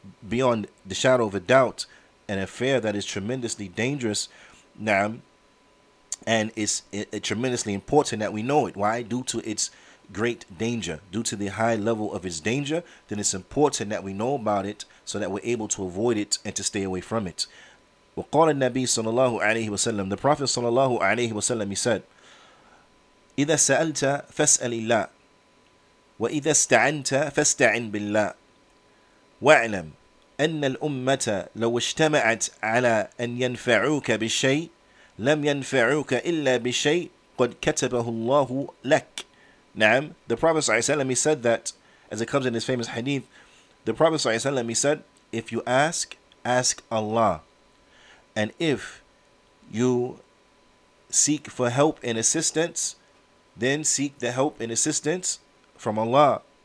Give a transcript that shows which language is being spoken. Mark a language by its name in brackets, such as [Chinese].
[English] beyond the shadow of a doubt, an affair that is tremendously dangerous now, and it's tremendously important that we know it. Why? Due to its great danger, due to the high level of its danger, then it's important that we know about it so that we're able to avoid it and to stay away from it. [Arabic] وقال النبي صلى الله عليه وسلم, [English] the Prophet [Arabic] صلى الله عليه وسلم, [English] he said, [Arabic] إذا سألت فاسأل الله وإذا استعنت فاستعن بالله واعلم أن الأمة لو اجتمعت على أن ينفعوك بالشيء لم ينفعوك إلا بالشيء قد كتبه الله لك. [English] نعم, the Prophet صلى الله عليه وسلم, he said that, as it comes in his famous hadith, the Prophet صلى الله عليه وسلم, he said, if you ask, ask Allah. And if you seek for help and assistance, then seek the help and assistance from Allah.